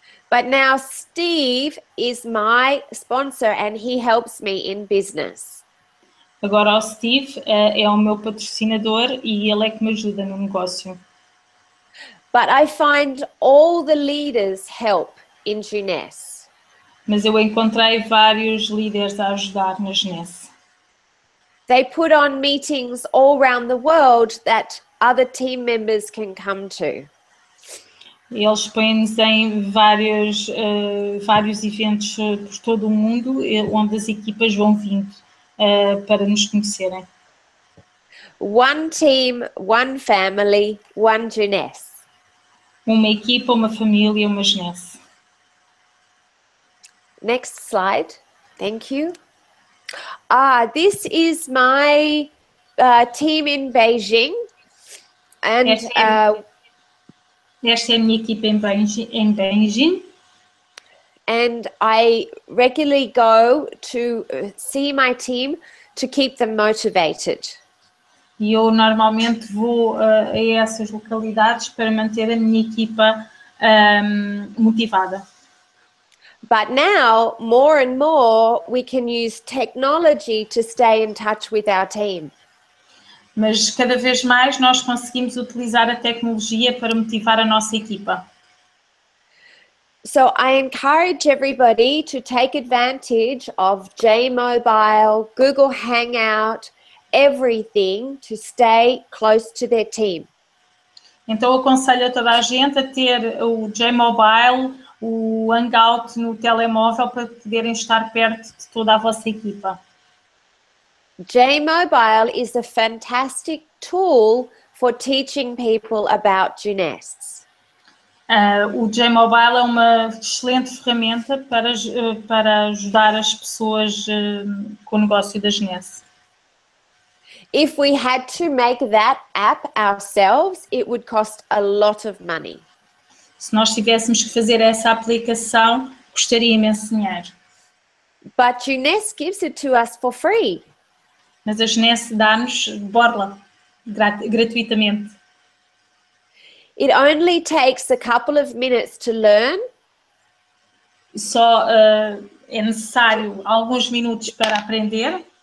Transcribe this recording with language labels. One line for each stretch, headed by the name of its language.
English: But now Steve is my sponsor and he helps me in business.
Portuguese: Agora o Steve é o meu patrocinador e ele é que me ajuda no negócio.
English: But I find all the leaders help in Genesse.
Portuguese: Mas eu encontrei vários líderes a ajudar na Genesse.
English: They put on meetings all around the world that other team members can come to.
Portuguese: Eles põem-nos em vários, vários eventos por todo o mundo, onde as equipas vão vindo para nos conhecerem.
English: One team, one family, one Genesse.
Portuguese: Uma equipa, uma família, uma Genesse.
English: Next slide. Thank you. Ah, this is my team in Beijing. And
Portuguese: esta é a minha equipa em Beijing.
English: And I regularly go to see my team to keep them motivated.
Portuguese: E eu normalmente vou a essas localidades para manter a minha equipa motivada.
English: But now, more and more, we can use technology to stay in touch with our team.
Portuguese: Mas cada vez mais nós conseguimos utilizar a tecnologia para motivar a nossa equipa.
English: So I encourage everybody to take advantage of J-Mobile, Google Hangout, everything to stay close to their team.
Portuguese: Então eu aconselho a toda a gente a ter o J-Mobile, o Hangout no telemóvel para poderem estar perto de toda a vossa equipa.
English: J-Mobile is a fantastic tool for teaching people about Genesse.
Portuguese: O J-Mobile é uma excelente ferramenta para ajudar as pessoas com o negócio da Genesse.
English: If we had to make that app ourselves, it would cost a lot of money.
Portuguese: Se nós tivéssemos que fazer essa aplicação, custaria imenso dinheiro.
English: But Genesse gives it to us for free.
Portuguese: Mas a Genesse dá-nos borla, gratuitamente.
English: It only takes a couple of minutes to learn.
Portuguese: Só é necessário alguns minutos para aprender.